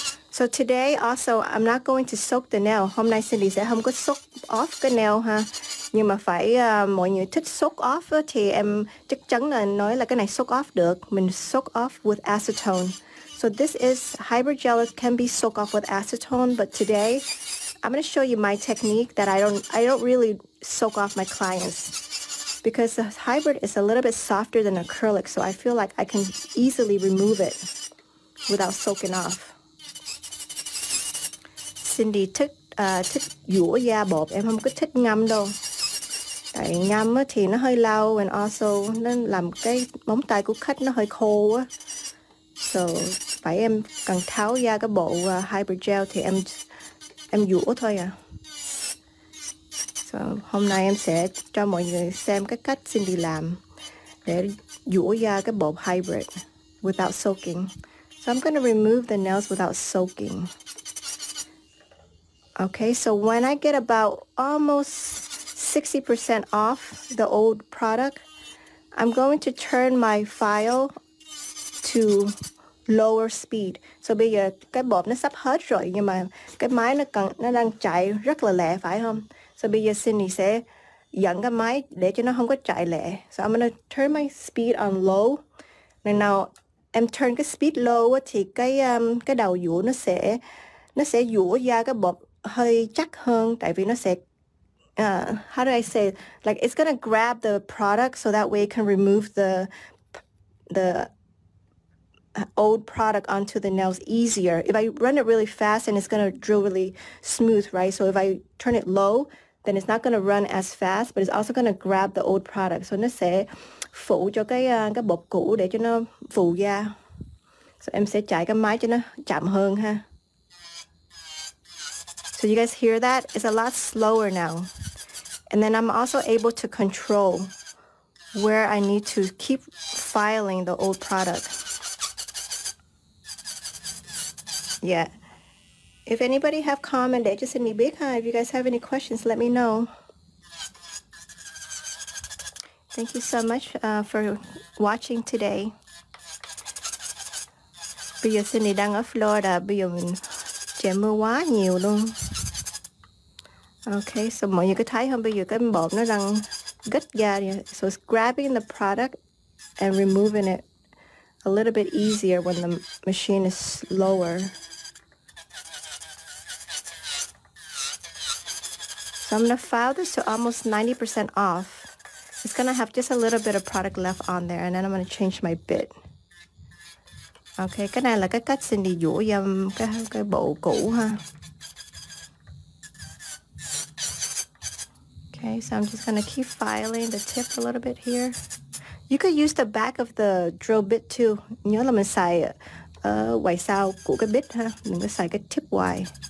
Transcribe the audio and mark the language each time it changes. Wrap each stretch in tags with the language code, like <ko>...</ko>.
<en>So today also I'm not going to soak the nail.</en> <vi>Hôm nay Cindy sẽ không có soak off cái nail ha. Nhưng mà phải mọi người thích soak off thì em chắc chắn là nói là cái này soak off được. Mình</vi> <en>soak off with acetone. So this is hybrid gel, it can be soak off with acetone, but today I'm going to show you my technique that I don't really soak off my clients, because the hybrid is a little bit softer than acrylic, so I feel like I can easily remove it without soaking off.</en> <vi>Cindy thích thích dũa da bột, em không có thích ngâm đâu. Tại ngâm thì nó hơi lâu,</vi> <en>and also</en> <vi>nó làm cái móng tay của khách nó hơi khô á. So phải em cần tháo da cái bộ hybrid gel thì em dũa thôi à. So hôm nay em sẽ cho mọi người xem cái cách Cindy làm để dũa da cái bộ hybrid</vi> <en>without soaking. So I'm gonna remove the nails without soaking. Okay, so when I get about almost 60% off the old product, I'm going to turn my file to lower speed.</en> <vi>So bây giờ cái bộp nó sắp hết rồi, nhưng mà cái máy nó đang chạy rất là lẹ, phải không? So bây giờ Cindy sẽ dẫn cái máy để cho nó không có chạy lẹ.</vi> <en>So I'm gonna turn my speed on low.</en> <vi>Now em turn cái speed low thì cái đầu dũa nó sẽ dũa ra cái bộp hơi chắc hơn, tại vì nó sẽ</vi> <en>how do I say it? Like it's gonna grab the product so that way it can remove the old product onto the nails easier. If I run it really fast, and it's gonna drill really smooth, right? So if I turn it low, then it's not gonna run as fast, but it's also gonna grab the old product.</en> <vi>So nó sẽ phủ cho cái bột cũ để cho nó phủ da. So em sẽ chạy cái máy cho nó chậm hơn ha.</vi> <en>So you guys hear that? It's a lot slower now. And then I'm also able to control where I need to keep filing the old product. Yeah. If anybody have comment, they just send me big hi. If you guys have any questions, let me know. Thank you so much for watching today.</en> <vi>Bây giờ Cindy đang ở Florida, bây giờ mình trời mưa quá nhiều luôn. Okay, so mọi người có thấy không? Bây giờ cái bột nó đang gất ra.</vi> <en>So it's grabbing the product and removing it a little bit easier when the machine is slower. So I'm gonna file this to almost 90% off. It's gonna have just a little bit of product left on there, and then I'm gonna change my bit.</en> <vi>Okay, cái này là cái cách Cindy dũa dâm cái bộ cũ ha.</vi> <en>Okay, so I'm just gonna keep filing the tip a little bit here. You could use the back of the drill bit too.</en> <vi>Nhớ là mình xài ngoài sau của cái bit ha, mình có xài cái tip ngoài.</vi>